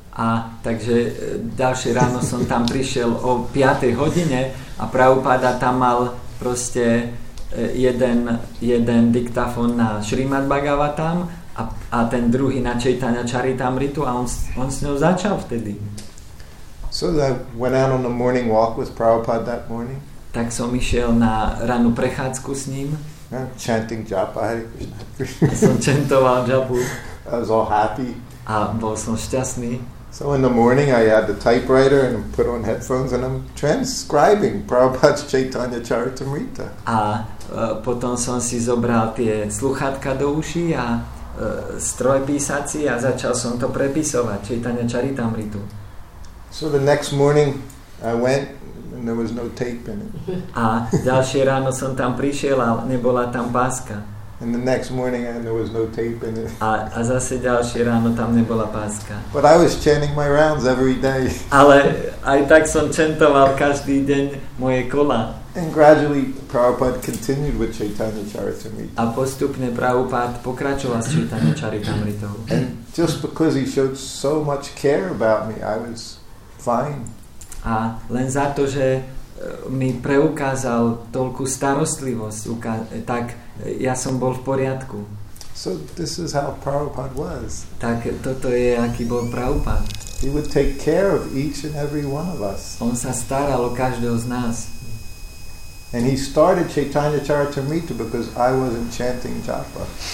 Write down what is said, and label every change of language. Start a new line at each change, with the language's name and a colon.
Slovak: A takže ďalšie ráno som tam prišiel o 5:00 hodine a Prabhupada tam mal proste jeden diktafón na Srimad Bhagavatam a ten druhý na Chaitanya Charitamritu a on s ňou začal vtedy.
English: So I went out on a morning walk with Prabhupada that morning.
Slovak: Tak som išiel na ranú prechádzku s ním.
English: Chanting Japa.
Slovak: Som čentoval Japu.
English: I was all happy.
Slovak: A bol som šťastný.
English: So in the morning I had the typewriter and put on headphones and I'm transcribing Prabhupada's Chaitanya Charitamrita.
Slovak: A potom som si zobral tie sluchátka do uší a stroj písací a začal som to prepisovať Chaitanya Charitamritu.
English: So the next morning I went and there was no tape in it.
Slovak: A ďalšie ráno som tam prišiel a nebola tam páska.
English: And the next morning and there was no tape in it.
Slovak: A zase ďalšie ráno tam nebola páska.
English: But I was chanting my rounds every day.
Slovak: Ale aj tak som čentoval každý deň moje kola.
English: And gradually Prabhupada continued with Chaitanya Charitamrita.
Slovak: A postupne Prabhupada pokračoval s Chaitanya Charitamritou.
English: And just because he showed so much care about me, I was fine.
Slovak: A len za to, že mi preukázal toľkú starostlivosť, tak ja som bol v poriadku.
English: So this is how Prabhupada was.
Slovak: Tak toto je, aký bol Prabhupada.
English: He would take care of each and every one of us.
Slovak: On sa staral o každého z nás.
English: And he started Chaitanya Charitamrita because I wasn't chanting Japa.